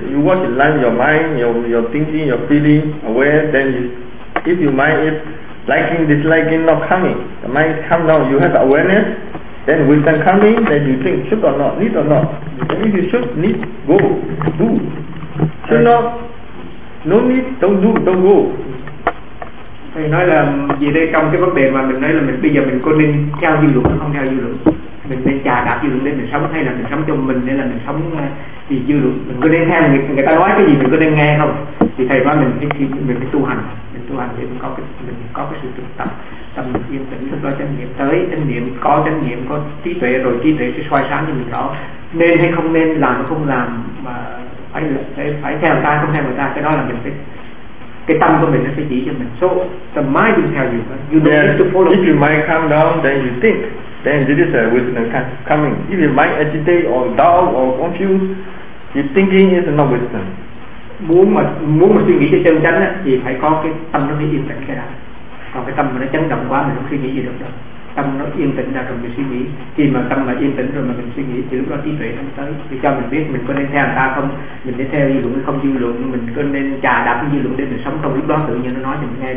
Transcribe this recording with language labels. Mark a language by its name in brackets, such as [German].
[English] You want to learn your mind, your thinking, your feeling, aware, then if your mind is liking, disliking, not coming. The mind comes now, you have awareness, then wisdom coming, then you think, should or not, need or not. If you should, need, go, do. Should not, no need, don't do, don't go. [Vietnamese] Thầy nói là vì đây trong cái vấn đề mà mình nói là mình bây giờ mình có nên theo dư luận hay không theo dư luận, mình nên trà đạp dư luận để mình sống hay là mình sống cho mình, hay là mình sống vì dư luận, mình có nên theo người ta nói cái gì, mình có nên nghe không? Thì thầy nói mình khi mình phải tu hành, mình tu hành để mình có cái sự thực tập tâm yên tĩnh, lúc đó chánh niệm tới, chánh niệm có, chánh niệm có trí tuệ, rồi trí tuệ sẽ soi sáng cho mình đó, nên hay không nên làm hay không làm, mà phải theo người ta không theo người ta, cái đó là mình phải, cái tâm của mình nó sẽ chỉ cho mình. [English] So the mind will tell you, you don't need to follow. If your mind calm down, then you think, then this is a wisdom coming. If your mind agitate or dull or confused, your thinking is not wisdom. [Vietnamese] Muốn mà suy nghĩ cho chân chánh á, thì phải có cái tâm nó yên tĩnh cái đã. Còn cái tâm mà nó chấn động quá, mình không suy nghĩ gì được đâu. Tâm nó yên tĩnh ra rồi mình suy nghĩ. Khi mà tâm mà yên tĩnh rồi mà mình suy nghĩ, thì lúc đó trí tuệ nó tới. Thì cho mình biết mình có nên theo người ta không, mình nên theo dư luận hay không dư luận, mình có nên trà đạp dư luận để mình sống trong lúc đó, tự nhiên nó nói cho mình nghe.